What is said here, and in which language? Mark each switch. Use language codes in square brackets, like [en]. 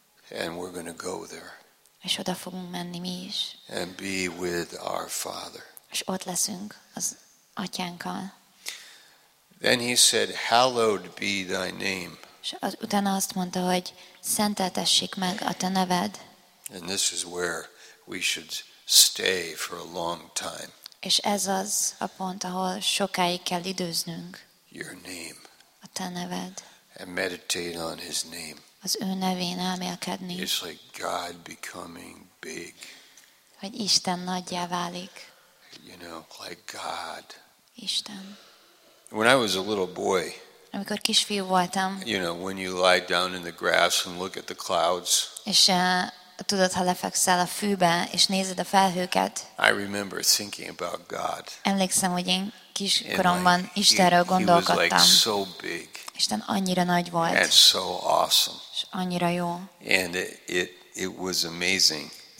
[en] And we're going to go there. [hu] És oda fogunk menni mi is. [en] And be with our Father. [hu] És ott leszünk az Atyánkkal. [en] Then he said, "Hallowed be thy name." [hu] És utána azt mondta, hogy szenteltessék meg a te neved. [en] And this is where we should stay for a long time. [hu] És ez az a pont, ahol sokáig kell időznünk. [en] Your name. [hu] A te neved. [en] And meditate on his name. [hu] Az ő nevén elmélkedni. [en] It's like God becoming big. [hu] Hogy Isten nagyjá válik. [en] You know, like God. [hu] Isten. [en] When I was a little boy. [hu] Amikor kisfiú voltam. [en] You know, when you lie down in the grass and look at the clouds. [hu] És tudod, ha lefekszel a fűbe és nézed a felhőket. [en] I remember thinking about God. [hu] Emlékszem, hogy én kiskoromban Istenről gondolkodtam. [en] He was like so big. [hu] Isten annyira nagy volt. [en] And so awesome. [hu] És annyira jó. [en] And it was amazing.